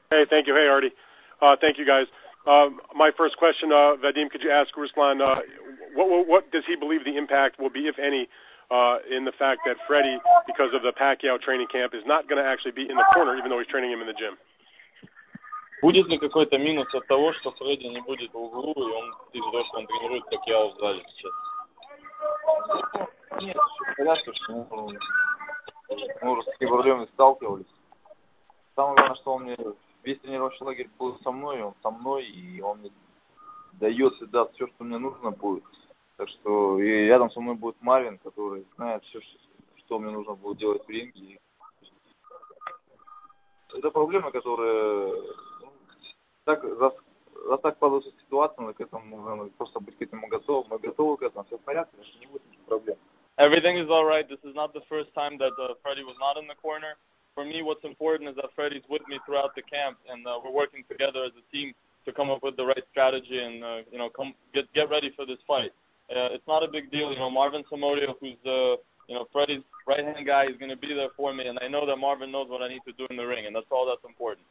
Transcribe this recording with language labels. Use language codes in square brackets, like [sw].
[en] Hey, thank you. Hey, Artie. Thank you, guys. My first question, Vadim, could you ask Ruslan, what does he believe the impact will be, if any, in the fact that Freddie, because of the Pacquiao training camp, is not going to actually be in the corner, even though he's training him in the gym? [ru] Будет ли какой-то минус от того, что Фредди не будет в углу, и он из-за того, что он тренирует Пакьяо в зале сейчас? Нет, понятно, что мы уже с такими проблемами сталкивались. Самое главное, что он мне весь тренировочный лагерь был со мной, он со мной, и он мне дает и даст все, что мне нужно будет. Так что и рядом со мной будет Марвин, который знает все, что мне нужно будет делать в ринге. Это проблема, которая... Так, за так подошла ситуация, но к этому нужно просто быть к этому готов. Мы готовы к этому, все в порядке, значит, не будет никаких проблем. [en] Everything is all right. This is not the first time that Freddy was not in the corner. For me, what's important is that Freddy's with me throughout the camp, and we're working together as a team to come up with the right strategy and, you know, get ready for this fight. It's not a big deal. You know, Marvin Samorio, who's, you know, Freddy's right-hand guy, is going to be there for me, and I know that Marvin knows what I need to do in the ring, and that's all that's important.